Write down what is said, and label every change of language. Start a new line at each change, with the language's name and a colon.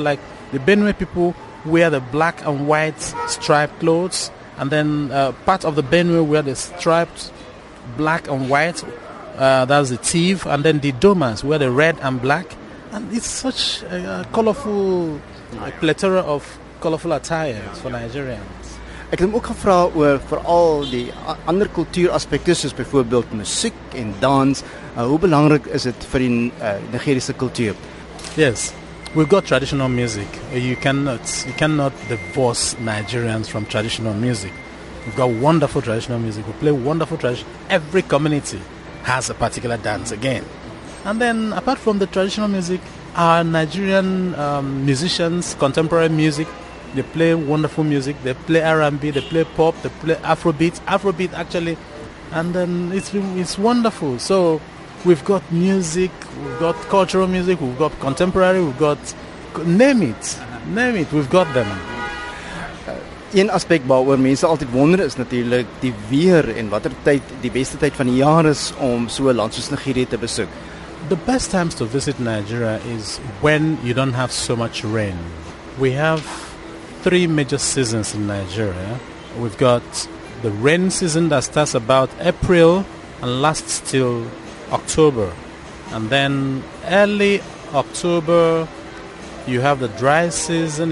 English: Like the Benue people wear the black and white striped clothes, and then part of the Benue wear the striped black and white, that's the Tiv, and then the Domas wear the red and black. And it's such a colorful, a plethora of colorful attires for Nigerians.
Afrikaans: Ek het ook gevra oor veral die ander kultuuraspekte soos byvoorbeeld musiek en dans. Hoe belangrik is dit vir die Nigeriese kultuur?
English: Yes, we've got traditional music. You cannot divorce Nigerians from traditional music. We've got wonderful traditional music. We play wonderful traditional. Every community has a particular dance again. And then apart from the traditional music, our Nigerian musicians, contemporary music, they play wonderful music. They play R&B, they play pop, they play Afrobeat actually. And then it's wonderful. So we've got music, we've got cultural music, we've got contemporary, we've got, name it, we've got them.
Afrikaans: Een aspek waaroor mense altyd wonder is natuurlik die weer en watter tyd die beste tyd van die jaar is om so 'n land soos Nigerië te besoek.
English: The best times to visit Nigeria is when you don't have so much rain. We have 3 major seasons in Nigeria. We've got the rain season that starts about April and lasts till October. And then early October, you have the dry season.